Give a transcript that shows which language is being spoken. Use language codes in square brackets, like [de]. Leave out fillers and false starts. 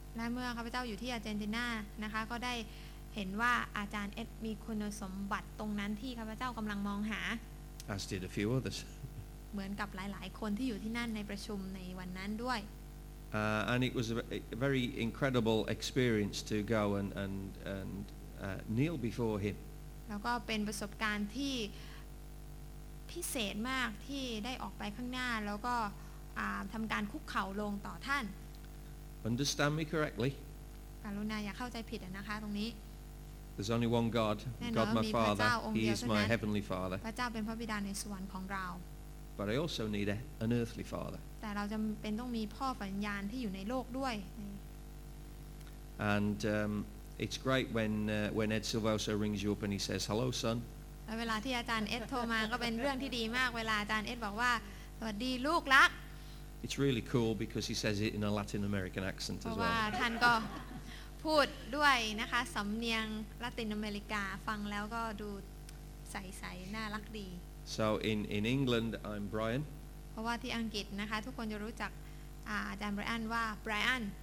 [th] และเมื่อพระเจ้าอยู่ที่อาร์เจนตินานะคะก็ได้เห็นว่าอาจารย์เอ็ดมีคุณสมบัติตรงนั้นที่พระเจ้ากำลังมองหา [en] As did a few others. [th] เหมือนกับหลายๆคนที่อยู่ที่นั่นในประชุมในวันนั้นด้วย [en] And it was a very incredible experience to go and kneel before him. [th] แล้วก็เป็นประสบการณ์ที่พิเศษมากที่ได้ออกไปข้างหน้าแล้วก็ทำการคุกเข่าลงต่อท่าน [en] Understand me correctly. [th] กรุณาอย่าเข้าใจผิดนะคะตรงนี้ [en] There's only one God, God my Father. He is my heavenly Father. [th] พระเจ้าเป็นพระบิดาในสวรรค์ของเรา [en] But I also need an earthly father. [th] แต่เราจำเป็นต้องมีพ่อฝ่ายวิญญาณที่อยู่ในโลกด้วย [en] And it's great when Ed Silvosa rings you up and he says, "Hello, son." [th] เวลาที่อาจารย์เอ็ดโทรมาก็เป็นเรื่องที่ดีมากเวลาอาจารย์เอ็ดบอกว่าสวัสดีลูกรัก [en] It's really cool because he says it in a Latin American accent as well. [th] ว่าท่านก็พูดด้วยนะคะสำเนียงลาตินอเมริกาฟังแล้วก็ดูใสๆน่ารักดี [en] So in England I'm Brian. [th] เพราะว่าที่อังกฤษนะคะทุกคนจะรู้จักอาจารย์ Brian ว่า Brian.